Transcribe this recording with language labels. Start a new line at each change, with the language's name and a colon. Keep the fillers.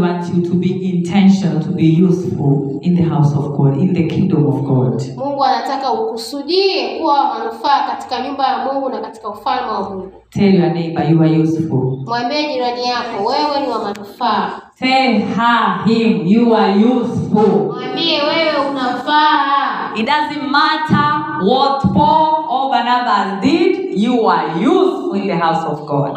English: wants you to be intentional to be useful in the house of God, in the kingdom of God.
Swahili: mpaka ukusudie kuwa manufaa katika nyumba ya Mungu na katika ufalme wa Mungu.
English: Tell your neighbor you are useful.
Swahili: Mwambie jirani yako wewe ni wa manufaa.
English: Tell her him you are useful.
Swahili: Mwambie wewe unafaa.
English: It doesn't matter what Paul or Barnabas did, you are useful in the house of God.